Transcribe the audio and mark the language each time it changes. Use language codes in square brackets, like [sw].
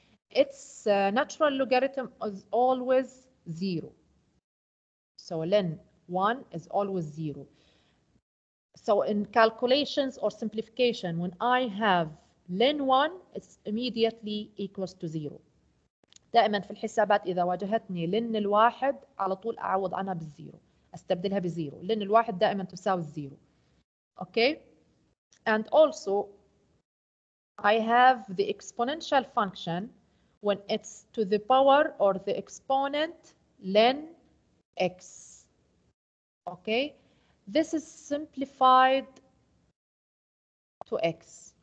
[en] Its natural logarithm is always 0. So ln 1 is always 0. So in calculations or simplification, when I have ln 1, it's immediately equals to 0. [ar] دائما في الحسابات إذا واجهتني ln الواحد على طول أعوض عنها بالزيرو. أستبدلها بزيرو. ln الواحد دائما تساوي الزيرو. Okay. [en] And also, I have the exponential function when it's to the power or the exponent ln x. Okay, this is simplified to x.